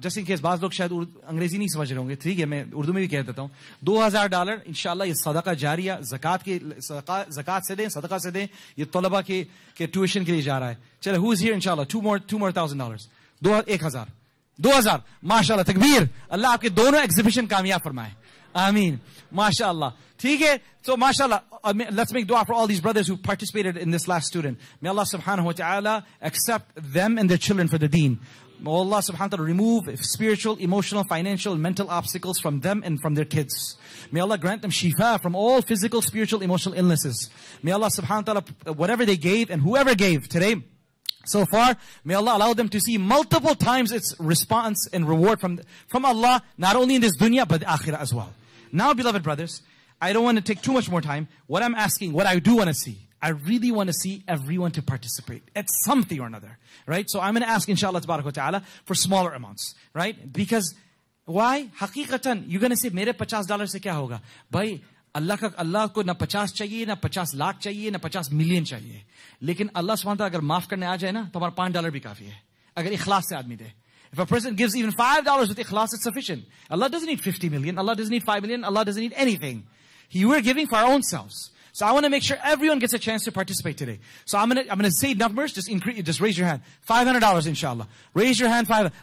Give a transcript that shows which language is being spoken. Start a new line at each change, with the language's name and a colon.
English: Just in case،
Urdu: بعض لوگ شاید انگریزی نہیں سمجھ رہے ہوں گے۔ ٹھیک ہے، میں اردو میں بھی کہہ دیتا ہوں۔ $2,000، ان شاءاللہ، یہ صدقہ جاریہ، زکات سے دیں، صدقہ سے دیں۔ یہ طلبہ کے ٹیوشن کے لیے جا رہا ہے۔
English: Chale, who is here, inshallah? Two more $1,000. 1,000. 2,000. MashaAllah. Takbir.
Urdu: Allah aapke dono exhibition kamiyab farmaye.
English: Ameen. MashaAllah.
Urdu: Theek hai?
English: So, MashaAllah. Let's make dua for all these brothers who participated in this last student. May Allah subhanahu wa ta'ala accept them and their children for the deen. May Allah subhanahu wa ta'ala remove spiritual, emotional, financial, mental obstacles from them and from their kids. May Allah grant them shifa from all physical, spiritual, emotional illnesses. May Allah subhanahu wa ta'ala, whatever they gave and whoever gave today, so far, may Allah allow them to see multiple times its response and reward from Allah, not only in this dunya, but the akhirah as well. Now, beloved brothers, I don't want to take too much more time. What I'm asking, what I do want to see, I really want to see everyone to participate at something or another, right? So I'm going to ask, inshallah, tabarak wa ta'ala, for smaller amounts, right? Because, why?
Urdu: حقیقتاً،
English: you're going to say،
Urdu: میرے $50 سے کیا ہوگا؟ بھائی، اللہ کو نہ 50 چاہیے، نہ 50 لاکھ چاہیے، نہ 50 ملین چاہیے۔ لیکن اللہ سبحانہ و تعالیٰ، اگر معاف کرنے آ جائے نا، تو ہمارا $5 بھی کافی ہے۔ اگر اخلاص سے آدمی دے۔
English: If a person gives even $5 with ikhlas, it's sufficient. Allah doesn't need 50 million. Allah doesn't need 5 million. Allah doesn't need anything. We're giving for our own selves. So I want to make sure everyone gets a chance to participate today. So I'm gonna say numbers. Just raise your hand. $500, inshallah. Raise your hand. $500.